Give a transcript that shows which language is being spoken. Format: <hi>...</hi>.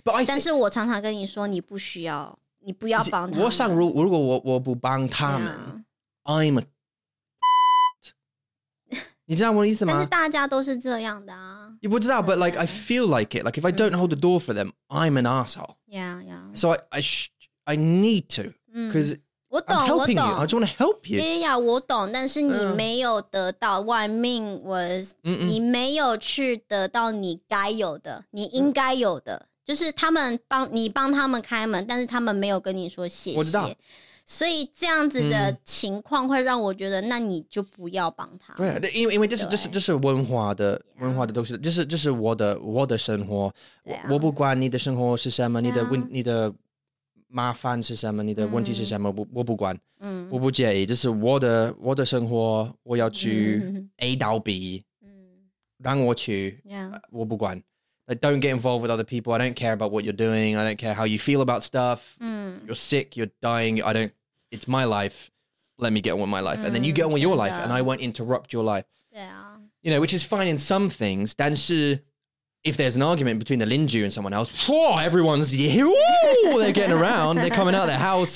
<zh>但是我常常跟你说，你不需要，你不要帮他们。我想如果我不帮他们，</zh> <en>I'm a</en> <zh>你知道我的意思吗？但是大家都是这样的啊。你不知道，</zh> <en>but like I feel like it, like if I don't hold the door for them, I'm an asshole. Yeah, yeah. So I need to, because</en> <zh>我懂。</zh> <en>I just want to help you.</en> <zh>我懂，但是你没有得到。</zh> <en>What I mean was,</en> <zh>你没有去得到你该有的，你应该有的。就是他们帮你帮他们开门，但是他们没有跟你说谢谢。我知道。所以这样子的情况会让我觉得，那你就不要帮他。对，因为这是文化的、文化的东西，这是我的生活。我不管你的生活是什么，你的麻烦是什么，你的问题是什么，我不管，我不介意，这是我的生活，我要去 A 到 B， 让我去，我不管。</zh> <en>I don't get involved with other people. I don't care about what you're doing. I don't care how you feel about stuff. You're sick. You're dying. I don't. It's my life. Let me get on with my life. And then you get on with your life. And I won't interrupt your life. Yeah. You know, which is fine in some things.</en> <zh>但是</zh> <en>if there's an argument between the 邻居and someone else, whoa, everyone's, they're getting around. They're coming out of their house.</en>